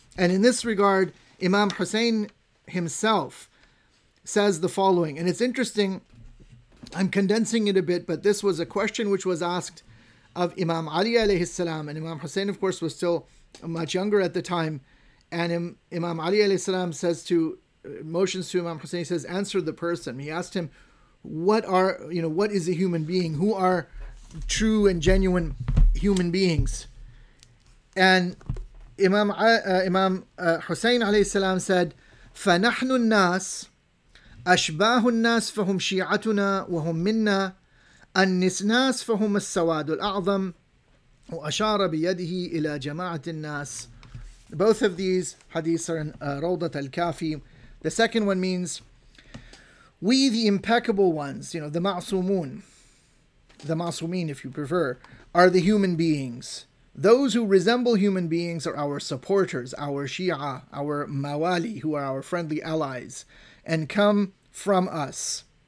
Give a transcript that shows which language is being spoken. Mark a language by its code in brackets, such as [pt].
[en] And in this regard, Imam Hussein himself says the following, and it's interesting, I'm condensing it a bit, but this was a question which was asked of Imam Ali alayhi salam, and Imam Hussein, of course, was still much younger at the time. And Imam Ali alayhi salam motions to Imam Hussein, he says, answer the person. He asked him, what is a human being? Who are true and genuine human beings? And Imam Hussein alayhi salam said, [ar] فَنَحْنُ النَّاسِ أَشْبَاهُ النَّاسِ فَهُمْ شِيعَتُنَا وَهُمْ مِنَّا النِّسْنَاسِ فَهُمْ السَّوَادُ الْأَعْظَمُ وَأَشَارَ بِيَدِهِ إِلَى جَمَاعَةِ النَّاسِ. [en] Both of these hadiths are in Rawdat al-Kafi. The second one means, we the impeccable ones, the ma'sumun, the Masumeen, if you prefer, are the human beings. Those who resemble human beings are our supporters, our Shia, our Mawali, who are our friendly allies, and come from us.